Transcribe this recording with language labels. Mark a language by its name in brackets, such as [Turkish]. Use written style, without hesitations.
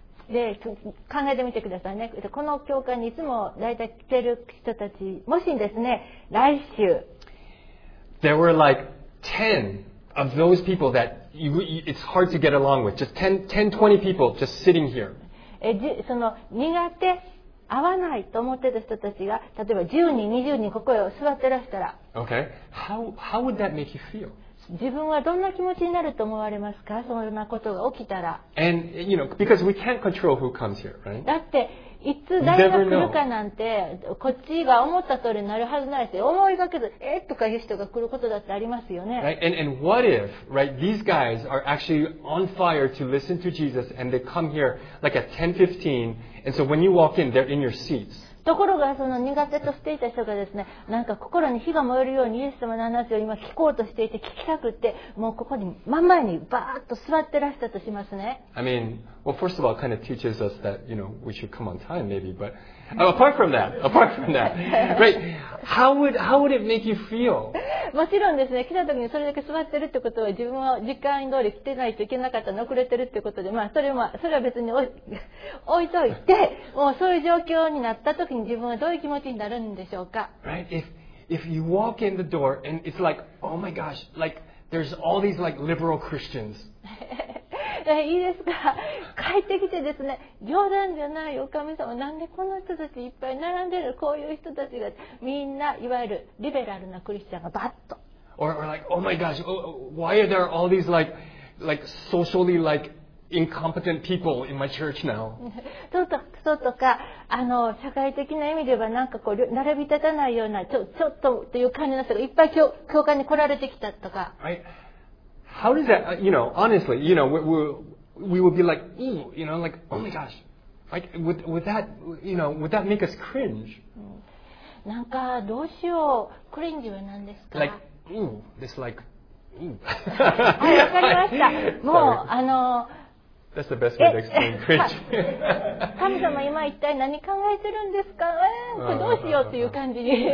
[Japanese] で考えてみてくださいね。この教会にいつも大体来てる人たち、もしですね、来週。 [English] There were like 10of those people that it's hard to get along with, just 10-20 people just sitting here. [Japanese] その苦手、合わないと思ってた人たちが、例えば10人、20人ここへ座ってらしたら、 [English] okay. how would that make you feel? [Japanese] 自分はどんな気持ちになると思われますか、そんなことが起きたら。 [English] And you know, because we can't control who comes here, right? [Japanese] だって、いつ誰が来るかなんて、こっちが思った通りになるはずないし、思いがけず、とかいう人が来ることだってありますよね。 [English] Right? And what if, right, these guys are actually on fire to listen to Jesus and they come here like at 10:15, and so when you walk in, they're in your seats. [Japanese] ところがその苦手としていた人がですね、なんか心に火が燃えるようにイエス様の話を今聞こうとしていて、聞きたくってもうここに真ん前にバーッと座ってらしたとしますね。 [English] I mean, well, first of all, it kind of teaches us that, you know, we should come on time maybe, but apart from that, right, how would it make you feel? [Japanese] もちろんですね、来た時にそれだけ座ってるってことは、自分は時間通り来てないといけなかったの、遅れてるってことで、まあそれは別に置いといて、もうそういう状況になった時に自分はどういう気持ちになるんでしょうか。 [English] Right, if you walk in the door and it's like, oh my gosh, like there's all these like liberal Christians. [Japanese] いいですか、帰ってきてですね、冗談じゃないよ神様、なんでこの人たちいっぱい並んでる、こういう人たちがみんないわゆるリベラルなクリスチャンがバッと、 [English] or like, oh my gosh, why are there all these like socially like incompetent people in my church now? [Japanese] とか社会的な意味ではなんかこう並び立たないような、ちょっとという感じの人がいっぱい教会に来られてきたとか、 [English] right. How does that, you know, honestly, you know, we would be like, ooh, you know, like, oh my gosh, like, would that make us cringe? [Japanese] なんかどうしよう、クリンジは何ですか? [English] Like, ooh, it's like, [Japanese] ooh. わかりました。もう、 [English] That's the best way to explain cringe. [Japanese] 神様、今一体何考えてるんですか?どうしようっていう感じに。